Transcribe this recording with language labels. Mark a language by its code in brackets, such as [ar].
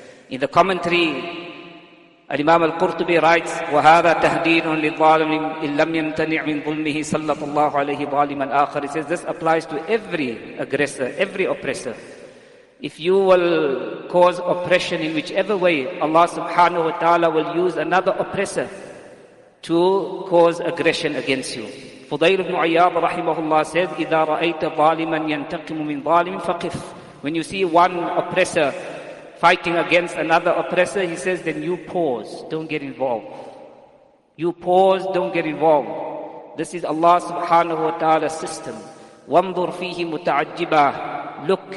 [en] In the commentary, Al-Imam Al-Qurtubi writes, [ar] وَهَذَا تَهْدِيرٌ لِلْظَالِمِينَ إِلَّمْ يَمْتَنِعْ مِنْ ظُلْمِهِ صَلَّطَ اللَّهُ عَلَيْهِ ظَالِمًا آخَرٍ. [en] He says this applies to every aggressor, every oppressor. If you will cause oppression in whichever way, Allah subhanahu wa ta'ala will use another oppressor to cause aggression against you. Fudayl ibn Iyad rahimahullah says, [ar] إِذَا رَأَيْتَ ظَالِمًا يَنْتَقِمُ مِنْ ظَالِمٍ فَقِفْ. [en] When you see one oppressor fighting against another oppressor, he says, then you pause, don't get involved. You pause, don't get involved. This is Allah subhanahu wa ta'ala's system. [ar] وَانْظُرْ فِيهِ مُتَعَجِّبًا.